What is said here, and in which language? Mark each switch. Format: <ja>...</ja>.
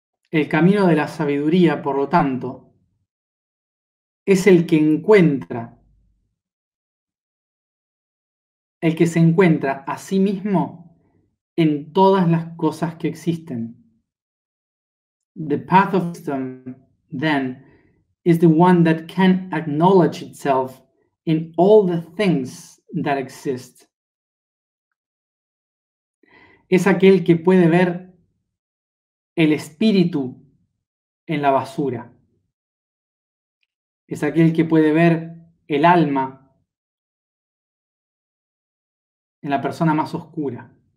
<es>El camino de la sabiduría, por lo tanto, es el que encuentra, el que se encuentra a sí mismo en todas las cosas que existen.</es> <en>The path of wisdom, then, is the one that can acknowledge itself in all the things that exist.</en> <es>Es aquel que puede ver el espíritu en la basura. Es aquel que puede ver el alma en la persona más oscura.</es>